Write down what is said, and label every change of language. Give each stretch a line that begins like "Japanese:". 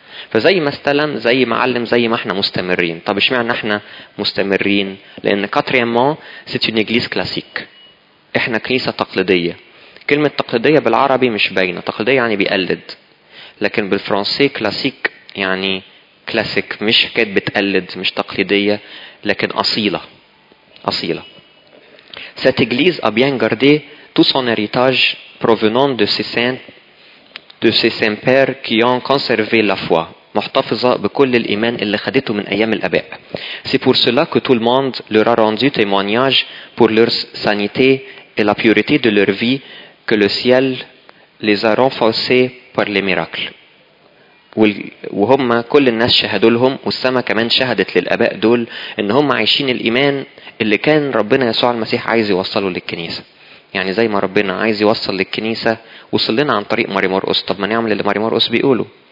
Arabic: فزي ما استلم زي ما علم زي ما احنا مستمرين طب اشمعنى احنا مستمرين لان
French: كاتريامون سيتي نيجليس كلاسيك
Arabic: احنا كنيسة تقليدية كلمة تقليدية بالعربي مش باينة تقليدية يعني بيقلد لكن بالفرنسي كلاسيك يعني كلاسيك مش كده بتقلد مش تقليدية لكن أصيلة أصيلة.
French: Cette église a bien gardé tout son héritage provenant de ses saints, de ses saints pères qui ont conservé la foi.
Arabic: محتفظة بكل الإيمان اللي خدته من أيام الآباء.
French: C'est pour cela que tout le monde leur a rendu témoignage pour leur sainteté et la pureté de leur vie que le ciel les a renforcés par les miracles.
Arabic: وهم كل الناس شهدوا لهم والسماء كمان شهدت للآباء دول إن هم عايشين الإيمان اللي كان ربنا يسوع المسيح عايز يوصله للكنيسة يعني زي ما ربنا عايز يوصل للكنيسة وصلنا عن طريق ماري مرقس طب ما نعمل اللي ماري مرقس بيقوله